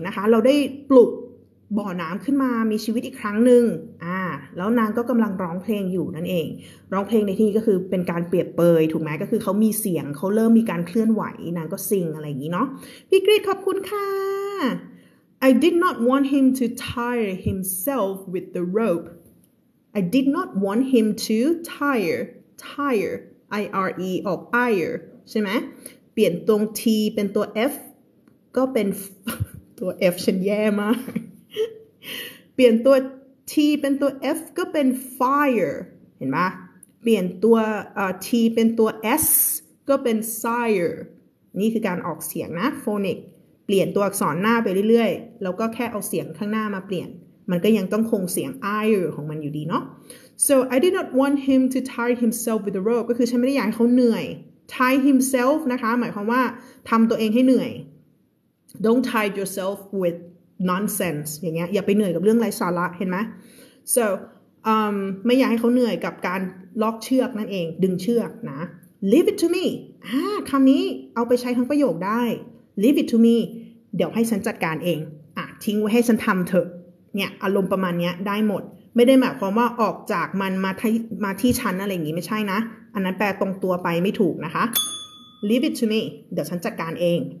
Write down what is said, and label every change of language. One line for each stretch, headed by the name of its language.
Thai: นะคะเราได้ปลุกบ่อน้ำขึ้นมามีชีวิตอีกครั้งหนึ่งแล้วนางก็กำลังร้องเพลงอยู่นั่นเองร้องเพลงในที่ก็คือเป็นการเปรียบเปยถูกไหมก็คือเขามีเสียงเขาเริ่มมีการเคลื่อนไหวนางก็ซิงอะไรอย่างนี้เนาะพี่กรีดขอบคุณค่ะ
English: I did not want him to tire himself with the rope I did not want him to tire I-R-E ออก ire
Thai: ใช่ไหมเปลี่ยนตรง T เป็นตัว Fก็เป็นตัว F ฉันแย่มากเปลี่ยนตัว T เป็นตัว F ก็เป็น fire เห็นไหมเปลี่ยนตัว T เป็นตัว S ก็เป็น sire นี่คือการออกเสียงนะ phonic เปลี่ยนตัวอักษรหน้าไปเรื่อยๆแล้วก็แค่เอาเสียงข้างหน้ามาเปลี่ยนมันก็ยังต้องคงเสียง ire ของมันอยู่ดีเนาะ
English: so I did not want him to tire himself with the rope
Thai: ก็คือฉันไม่ได้อยากให้เขาเหนื่อย
English: tire himself
Thai: นะคะหมายความว่าทำตัวเองให้เหนื่อย
English: Don't tie yourself with nonsense
Thai: อย่างเงี้ยอย่าไปเหนื่อยกับเรื่องไร้สาระเห็นไหม
English: so
Thai: ไม่อยากให้เขาเหนื่อยกับการล็อกเชือกนั่นเองดึงเชือกนะ
English: leave it to me
Thai: คำนี้เอาไปใช้ทั้งประโยคได้ leave it to me เดี๋ยวให้ฉันจัดการเองอ่ะทิ้งไว้ให้ฉันทำเถอะเนี่ยอารมณ์ประมาณเนี้ยได้หมดไม่ได้หมายความว่าออกจากมันมาที่ฉันอะไรอย่างงี้ไม่ใช่นะอันนั้นแปลตรงตัวไปไม่ถูกนะคะ leave it to me เดี๋ยวฉันจัดการเอง